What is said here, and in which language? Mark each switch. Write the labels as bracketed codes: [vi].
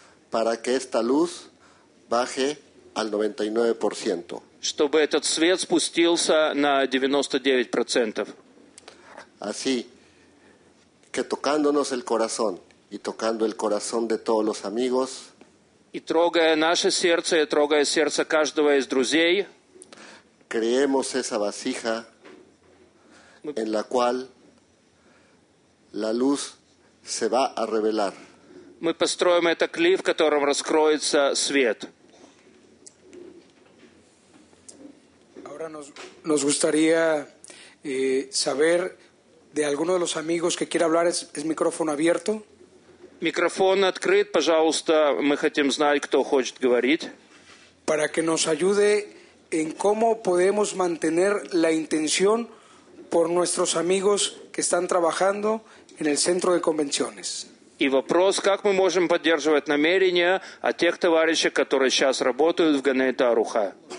[es] Para que esta luz baje al 99%. [ru] Чтобы этот свет спустился на 99%. [es] Así que tocándonos el corazón y tocando el corazón de todos los amigos. [ru] И трогая наше сердце, и трогая сердце каждого из друзей. [es] Creemos esa vasija en la cual la luz se va a revelar. [ru] Мы построим этот клей, в котором раскроется свет. [es] Ahora nos gustaría saber de alguno de los amigos que quiera hablar, es micrófono abierto. [ru] Микрофон открыт, пожалуйста, мы хотим знать, кто хочет говорить. [es] Para que nos ayude en cómo podemos mantener la intención por nuestros amigos que están trabajando en el centro de convenciones. [ru] И вопрос, как мы можем поддерживать намерения о тех товарищах, которые сейчас работают в Ганет Аруха.